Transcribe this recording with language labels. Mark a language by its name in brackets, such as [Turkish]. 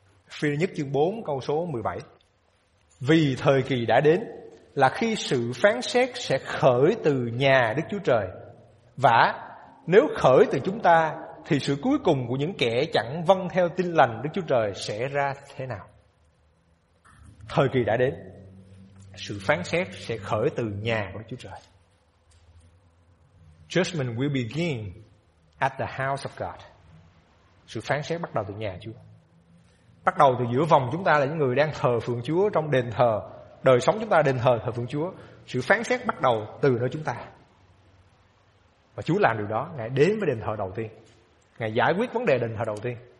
[Vietnamese] Phi-líp nhất chương 4 câu số 17. Vì thời kỳ đã đến là khi sự phán xét sẽ khởi từ nhà Đức Chúa Trời, và nếu khởi từ chúng ta thì sự cuối cùng của những kẻ chẳng vâng theo tin lành Đức Chúa Trời sẽ ra thế nào? Thời kỳ đã đến, sự phán xét sẽ khởi từ nhà của Đức Chúa Trời. [English] Judgment will begin at the house of God. [Vietnamese] Sự phán xét bắt đầu từ nhà Chúa, bắt đầu từ giữa vòng chúng ta là những người đang thờ phượng Chúa trong đền thờ. Đời sống chúng ta đền thờ, thờ phượng Chúa. Sự phán xét bắt đầu từ nơi chúng ta. Và Chúa làm điều đó, Ngài đến với đền thờ đầu tiên, Ngài giải quyết vấn đề đền thờ đầu tiên.